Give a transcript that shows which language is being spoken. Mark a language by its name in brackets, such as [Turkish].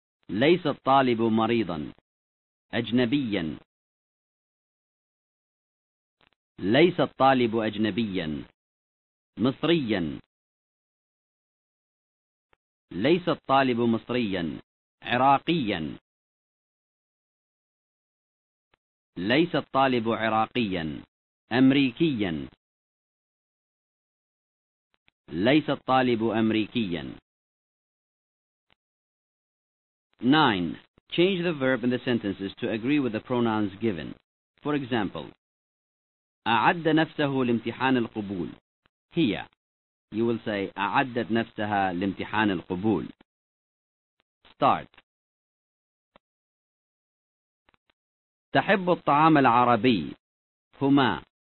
[Arabic] ليس الطالب مريضا أجنبيا ليس الطالب أجنبيا مصريا ليس الطالب مصريا عراقيا ليس الطالب عراقيا أمريكيا ليس الطالب أمريكيا 9. [English] Change the verb in the sentences to agree with the pronouns given. For example, [Arabic] أعد نفسه لامتحان القبول. هي. [English] You will say [Arabic] أعدت نفسها لامتحان القبول. [English] Start. [Arabic] تحب الطعام العربي. هما.